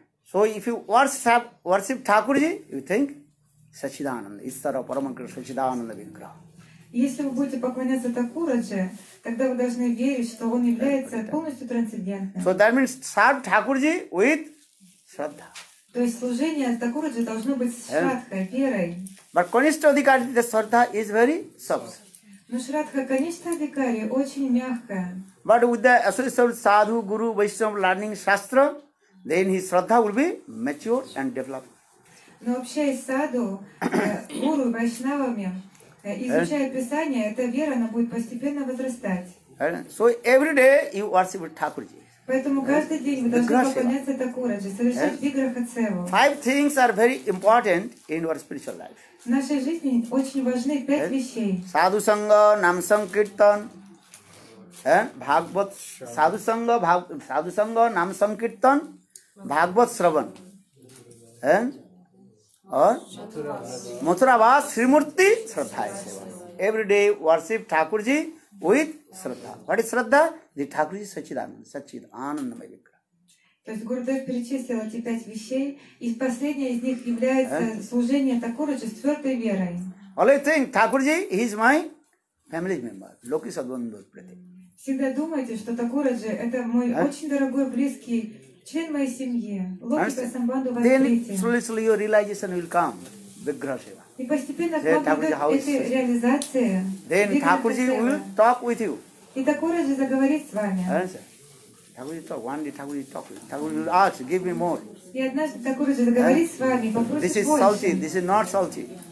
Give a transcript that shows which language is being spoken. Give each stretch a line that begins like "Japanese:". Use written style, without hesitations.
English: So if you worship Thakurji, you think Sachidananda, Issara Paramakrita Sachidananda Vigra.
Russian: Если вы будете поклоняться Такураджи, тогда вы должны верить, что он является полностью трансцендентным.
English: So that means serve Thakurji with Shraddha.
Russian: То есть служение Такураджи должно быть с Шраддхой, верой.
English: But Kanishtha Adhikari, the Shraddha is very soft.
Russian: Но Шраддха, Kanishtha Adhikari, очень мягкая.
English: But with the association of Sadhu, Guru, Vaishnava, learning Shastra, then his Shraddha will be mature and developed.
Russian: Но общаясь с Sadhu, Guru, Vaishnavami, изучая Писание, эта вера, она будет постепенно возрастать.
English: So every day you worship Thakurji.
Russian: Поэтому каждый день вы должны поклоняться Такураджи, совершать Виграха Цеву.
English: Five things are very important in our spiritual life.
Russian: В нашей жизни очень важны пять вещей. Садху Санга, Нам Санкиртан, Бхагват, Садху Санга, Нам Санкиртан, Бхагват Сраван.
English: Or Mathuravas, Srimurti, Shraddha is Seva. Every day worship Thakurji with Shraddha. What is Shraddha? The Thakurji Sachidananda, Sachidananda Vigra.
Russian: То есть Гурудев перечислил эти пять вещей, и последняя из них является служение Такураджи с твердой верой.
English: Only thing, Thakurji is my family member. Loki Sadvandhu Prati.
Russian: Всегда думайте, что Такураджи — это мой очень дорогой, близкий член моей семьи, логика самбанду воздействия.
English: Then slowly your realization will come, Vigraha Seva.
Russian: И постепенно к вам придет эта реализация.
English: Then Thakurji will talk with you.
Russian: И Такураджи заговорит с вами.
English: Thakurji talk, one day Thakurji talk. Thakurji will ask, give me more.
Russian: И однажды Такураджи заговорит с вами, попросит больше.
English: This is salty, this is not salty.